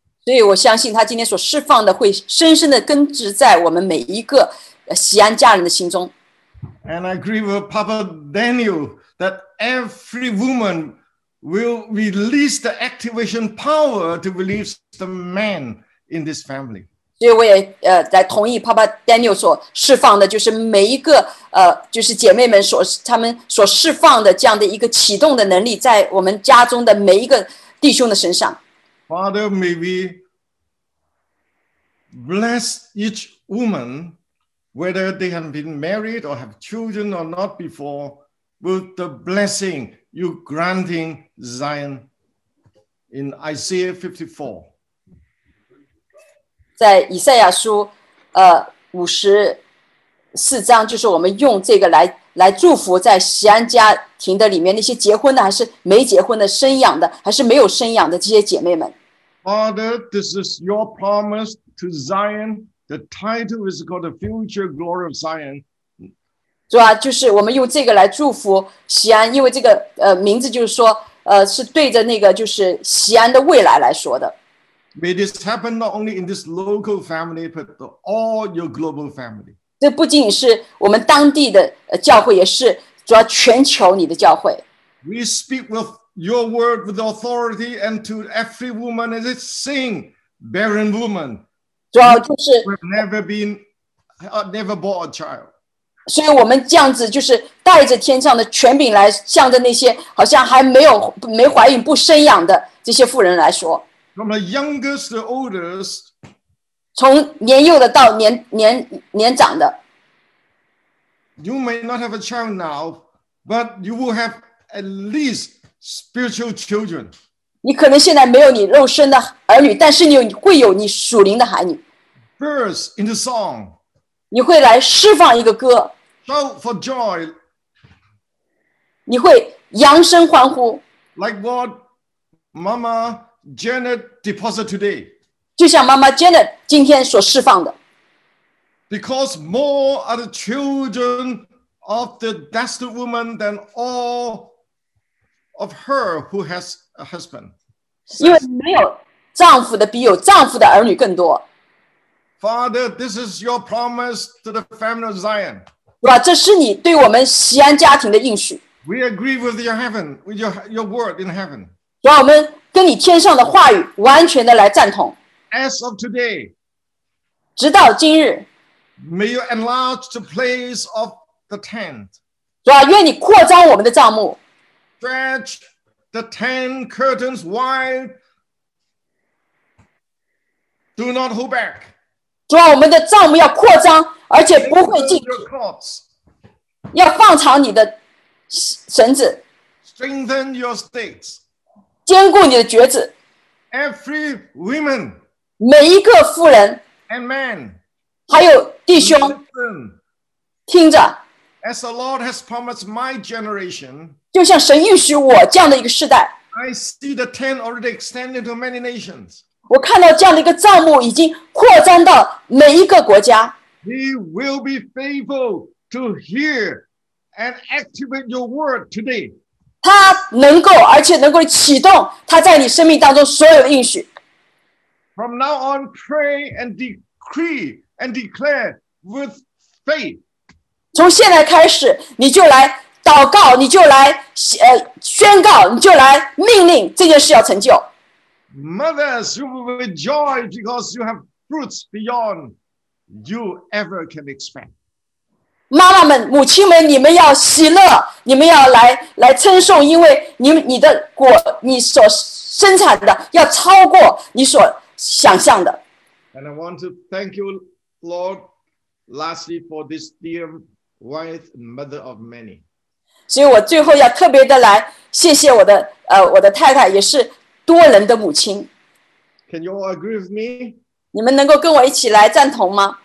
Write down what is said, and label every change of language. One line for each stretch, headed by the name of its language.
Chinese: 所以我相信他今天所释放的会深深的根植在我们每一个西安家人的心中。
English: And I agree with Papa Daniel that every woman will release the activation power to release the man in this family.
Chinese: 所以我也在同意 Papa Daniel 所释放的，就是每一个就是姐妹们所他们所释放的这样的一个启动的能力，在我们家中的每一个弟兄的身上。
English: Father, may we bless each woman, whether they have been married or have children or not before, with the blessing you granting Zion in Isaiah 54.
Chinese: 在以赛亚书五十四章，就是我们用这个来祝福在西安家庭的里面那些结婚的，还是没结婚的，生养的，还是没有生养的这些姐妹们。
English: Father, this is your promise to Zion. The title is called the Future Glory of Zion.
Chinese: 主啊，就是我们用这个来祝福西安，因为这个名字就是说是对着那个就是西安的未来来说的。
English: May this happen not only in this local family, but all your global family.
Chinese: 这不仅是我们当地的教会，也是主要全球你的教会。
English: We speak with your word with authority and to every woman as it sing, barren woman,
Chinese: 主要就是
English: who have never been, never bought a child.
Chinese: 所以我们这样子就是带着天上的权柄来向着那些好像还没怀孕不生养的这些妇人来说。
English: From the youngest to oldest,
Chinese: 从年幼的到年长的。
English: You may not have a child now, but you will have at least spiritual children.
Chinese: 你可能现在没有你肉身的儿女，但是你会有你属灵的孩女。
English: Burst into song.
Chinese: 你会来释放一个歌。
English: Shout for joy.
Chinese: 你会扬声欢呼。
English: Like what Mama Janet deposited today.
Chinese: 就像妈妈 Janet 今天所释放的。
English: Because more are the children of the destined woman than all of her who has a husband.
Chinese: 因为没有丈夫的比有丈夫的儿女更多。
English: Father, this is your promise to the family of Zion.
Chinese: 主啊，这是你对我们锡安家庭的应许。
English: We agree with your heaven, with your word in heaven.
Chinese: 主啊，我们跟你天上的话语完全的来赞同。
English: As of today,
Chinese: 直到今日。
English: May you enlarge the place of the tent.
Chinese: 主啊，愿你扩张我们的帐幕。
English: Stretch the tent curtains wide. Do not hold back.
Chinese: 主啊，我们的帐幕要扩张，而且不会进去。要放长你的绳子。
English: Strengthen your stakes.
Chinese: 坚固你的橛子。
English: Every woman.
Chinese: 每一个妇人。
English: And man.
Chinese: 还有弟兄。
English: Listen.
Chinese: 听着。
English: As the Lord has promised my generation.
Chinese: 就像神应许我这样的一个世代。
English: I see the tent already extended to many nations.
Chinese: 我看到这样的一个帐幕已经扩张到每一个国家。
English: We will be faithful to hear and activate your word today.
Chinese: 他能够而且能够启动他在你生命当中所有的应许。
English: From now on, pray and decree and declare with faith.
Chinese: 从现在开始，你就来祷告，你就来宣告，你就来命令这件事要成就。
English: Mothers, you will rejoice because you have fruits beyond you ever can expect.
Chinese: 妈妈们、母亲们，你们要喜乐，你们要来称颂，因为你的果，你所生产的要超过你所想象的。
English: And I want to thank you, Lord, lastly for this dear. Wife, mother of many.
Chinese: 所以我最后要特别的来谢谢我的太太，也是多人的母亲。
English: Can you all agree with me?
Chinese: 你们能够跟我一起来赞同吗？